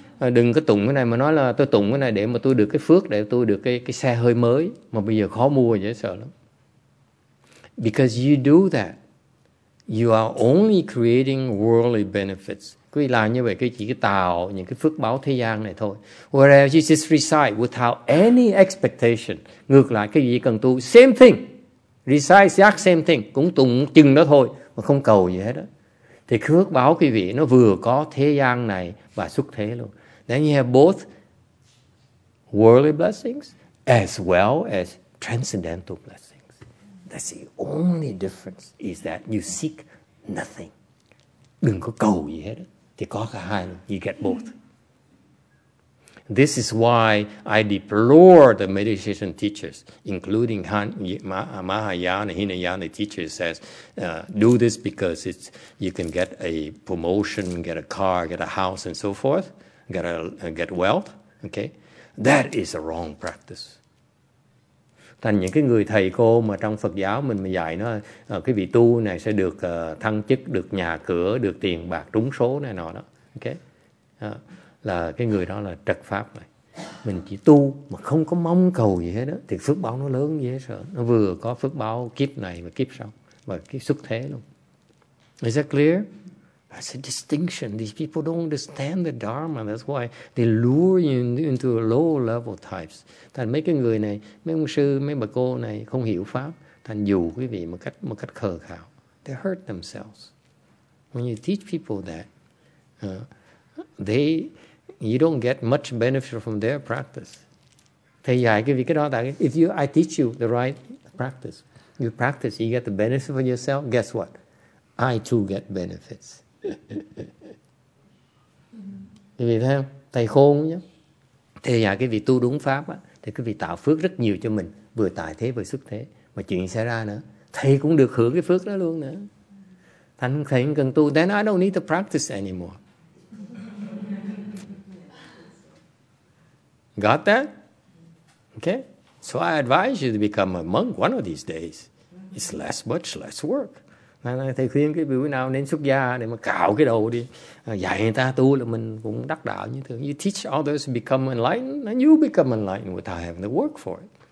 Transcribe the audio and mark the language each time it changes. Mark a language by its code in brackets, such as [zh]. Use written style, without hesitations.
[vi] Đừng có tụng cái này mà nói là tôi tụng cái này để mà tôi được cái phước, để tôi được cái xe hơi mới mà bây giờ khó mua, dễ sợ lắm. [en] Because you do that, you are only creating worldly benefits. [vi] Quý vị làm như vậy chỉ cái tạo những cái phước báo thế gian này thôi. [en] Whereas you just recite without any expectation. [vi] Ngược lại, cái gì cần tu, [en] same thing. Recite exact same thing. [vi] Cũng tụng chừng đó thôi, mà không cầu gì hết đó. Thì phước báo quý vị nó vừa có thế gian này và xuất thế luôn. [en] Then you have both worldly blessings as well as transcendental blessings. That's the only difference, is that you seek nothing. [vi] Đừng có cầu gì hết. Thì có cả hai, [en] you get both. This is why I deplore the meditation teachers, including Mahayana, Hinayana teachers, says, do this because it's, you can get a promotion, get a car, get a house, and so forth, get wealth, okay? That is a wrong practice. [vi] Thành những cái người thầy cô mà trong Phật giáo mình mà dạy nó, cái vị tu này sẽ được thăng chức, được nhà cửa, được tiền bạc trúng số này nọ đó, okay? Là cái người đó là trật pháp này. Mình chỉ tu mà không có mong cầu gì hết đó, thì phước báo nó lớn dễ sợ. Nó vừa có phước báo kiếp này và kiếp sau, và cái xuất thế luôn. [en] Is that clear? That's a distinction. These people don't understand the Dharma. That's why they lure you into low level types. [vi] Thành mấy cái người này, mấy ông sư, mấy bà cô này không hiểu pháp, thành dụ quý vị một cách khờ khạo. [en] They hurt themselves. When you teach people that, you don't get much benefit from their practice. [vi] Thầy dạy cái vị cái đó, [en] if you, I teach you the right practice, you practice, you get the benefit for yourself, guess what? I too get benefits. [vi] Quý vị thấy không? Thầy khôn nhé. Thầy dạy cái vị tu đúng pháp á, thì cái vị tạo phước rất nhiều cho mình, vừa tại thế vừa xuất thế. Mà chuyện xảy ra nữa, thầy cũng được hưởng cái phước đó luôn nữa. Thành thầy cần tu, [en] then I don't need to practice anymore. Got that? Okay. So I advise you to become a monk one of these days. It's less, much less work. [vi] Thầy khuyên cái bữa nào nên xuất gia để mà cạo cái đầu đi. Dạy người ta tu là mình cũng đắc đạo như thường. [en] You teach others to become enlightened and you become enlightened without having to work for it.